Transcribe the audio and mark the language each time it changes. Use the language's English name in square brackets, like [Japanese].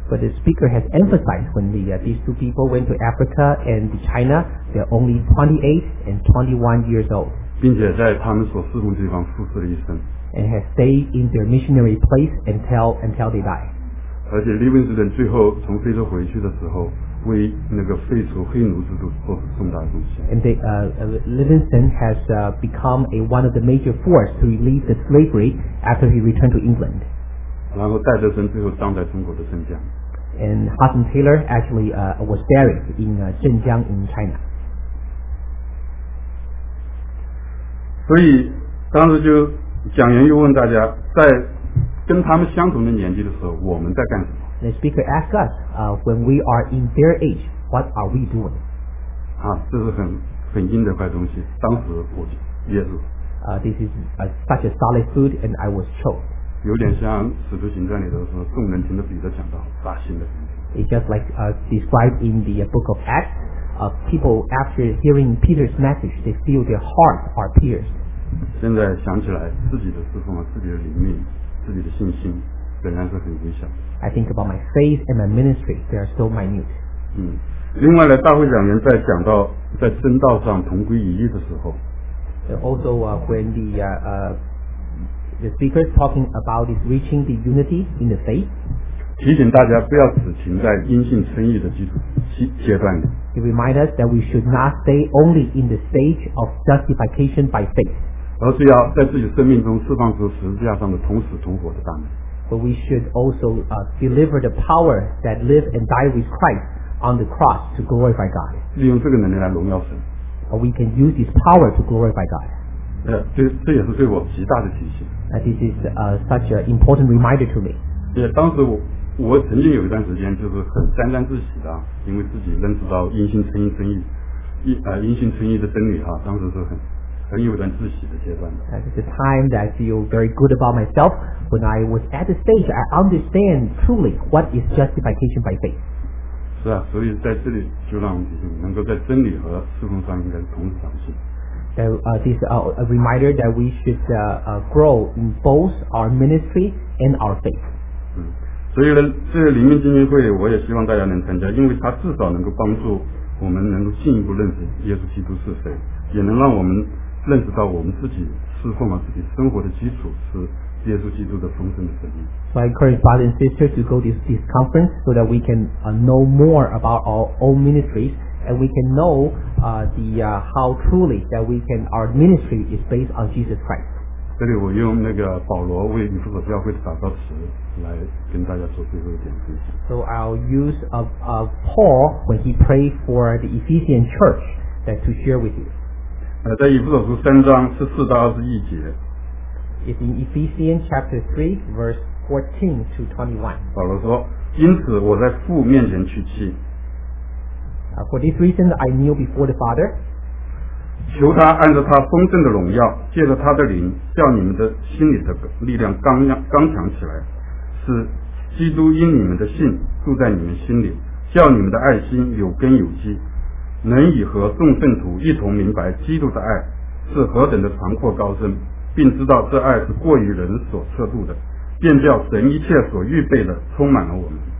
[English] But the speaker has emphasized when these two people went to Africa and China, they're only 28 and 21 years old. [Chinese] 并且在他们所侍奉的地方服侍了一生。 [English] And have stayed in their missionary place until they died. [Chinese] 而且 Livingston 最后从非洲回去的时候为那个废除黑奴制度做出重大贡献。 [English] And Livingston has become one of the major force to relieve the slavery after he returned to England. [Chinese] 然后戴德森最后葬在中国的镇江。 [English] And Hudson Taylor actually was buried in 镇江 in China. [Chinese] 所以当时就蒋元又问大家，在跟他们相同的年纪的时候，我们在干什么？ [English] The speaker asked us, when we are in their age, what are we doing? [Chinese] 啊，这是很硬的一块东西。当时我也是。 [English] This is such a solid food, and I was choked. [Chinese] 有点像《使徒行传》里头说，众人听着彼得讲道，扎心的。 [English] It's just like described in the book of Acts. People after hearing Peter's message, they feel their hearts are pierced. [Chinese] 现在想起来，自己的侍奉、自己的灵命、自己的信心。仍然是很微小。 [English] I think about my faith and my ministry; they are so minute. [Chinese] 另外呢，大会讲员在讲到在真道上同归于一的时候 [English] ，also when the speaker is talking about is reaching the unity in the faith， [Chinese] 提醒大家不要只停在因信称义的基础阶段里。 [English] He reminds us that we should not stay only in the stage of justification by faith， [Chinese] 而是要在自己生命中释放出十字架上的同死同活的大能。 [English] But we should also deliver the power that live and die with Christ on the cross to glorify God. [Chinese] 利用这个能力来荣耀神。 [English] Or we can use this power to glorify God. [Chinese] 这也是对我极大的提醒。 [English] This is such an important reminder to me. [Chinese] 当时我曾经有一段时间就是很沾沾自喜的，因为自己认识到因信称义真理，因信称义的真理哈，当时是很有段自喜的阶段的。 [English] At the time that I feel very good about myself, when I was at the stage, I understand truly what is justification by faith. [Chinese] 是啊，所以在这里就让弟兄能够在真理和侍奉上应该同时长进。 [English] This a reminder that we should grow in both our ministry and our faith. [Chinese] 所以呢，这个灵命经验会我也希望大家能参加，因为它至少能够帮助我们能够进一步认识耶稣基督是谁，也能让我们认识到我们自己侍奉自己生活的基础是耶稣基督的丰盛的生命。 [English] So I encourage brothers and sisters to go to this conference so that we can know more about our own ministries and we can know how truly that we can our ministry is based on Jesus Christ. [Chinese] 这里我用那个保罗为以弗所教会的祷告词来跟大家做最后一点分享。 [English] So I'll use of Paul when he prayed for the Ephesian church that to share with you. [Chinese] 在以弗所书三章十四到二十一节 [English] It's in Ephesians chapter 3 verse 14 to 21 [Chinese] 保罗说因此我在父面前屈膝 [English] For this reason I kneel before the Father [Chinese] 求他按照他丰盛的荣耀借着他的灵叫你们的心里的力量刚强起来使基督因你们的信住在你们心里叫你们的爱心有根有基能以和众圣徒一同明白基督的爱是何等的长阔高深并知道这爱是过于人所测度的便叫神一切所预备的充满了我们